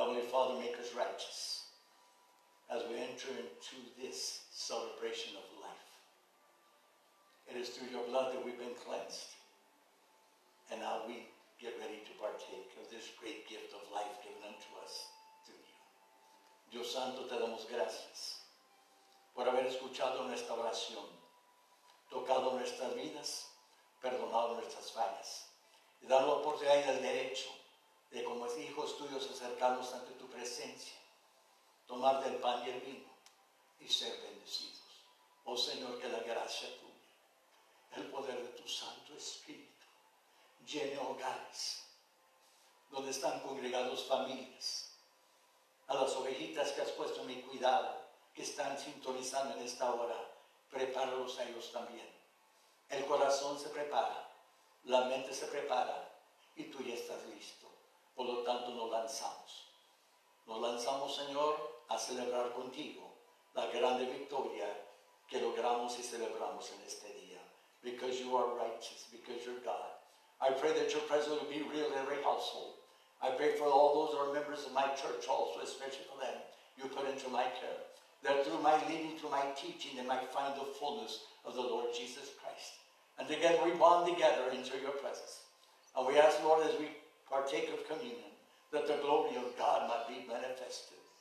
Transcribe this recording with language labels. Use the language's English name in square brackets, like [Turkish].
[English] call to make us righteous as we enter into this celebration of life. It is through your blood that we've been cleansed. And now we get ready to partake of this great gift of life given unto us through you. [Spanish] Dios Santo, te damos gracias por haber escuchado nuestra oración, tocado nuestras vidas, perdonado nuestras fallas, y dado la oportunidad y el derecho de, como hijos tuyos, acercarnos ante tu presencia, tomar del pan y el vino y ser bendecidos. Oh Señor, que la gracia tuya, el poder de tu Santo Espíritu, llene hogares donde están congregados familias, a las ovejitas que has puesto en mi cuidado, que están sintonizando en esta hora, prepáralos a ellos también. El corazón se prepara, la mente se prepara, y tú ya estás listo. Por lo tanto, nos lanzamos. Nos lanzamos, Señor, a celebrar contigo la grande victoria que logramos y celebramos en este día. [English] Because you are righteous, because you're God. I pray that your presence will be real in every household. I pray for all those who are members of my church also, especially for them, you put into my care. That through my leading, through my teaching, they might find the fullness of the Lord Jesus Christ. And again, we bond together into your presence. And we ask, Lord, as we partake of communion, that the glory of God might be manifested.